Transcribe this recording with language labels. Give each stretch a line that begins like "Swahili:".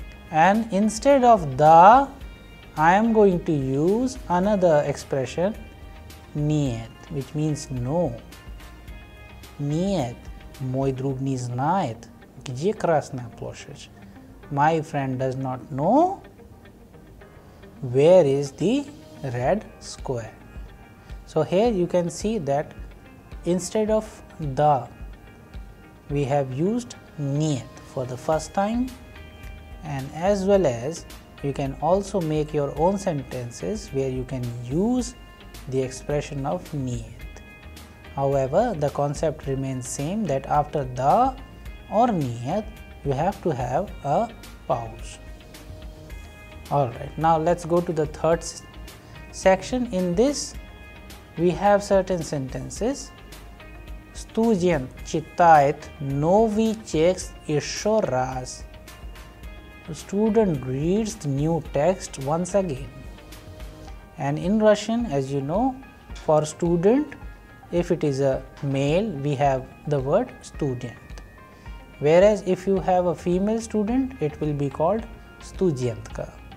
English: And instead of Да, I am going to use another expression, Нет, which means no.
Russian: Нет, мой друг не знает, где Красная площадь?
English: My friend does not know where is the red square. So here you can see that instead of Да, we have used Нет for the first time. And as well as you can also make your own sentences where you can use the expression of Нет. However, the concept remains same, that after Да or Нет, you have to have a pause. Alright, now let's go to the third section. In this, we have certain sentences.
Russian: Студент читает новый текст еще раз.
English: The student reads the new text once again. And in Russian, as you know, for student, if it is a male, we have the word студент. Whereas if you have a female student, it will be called студентка.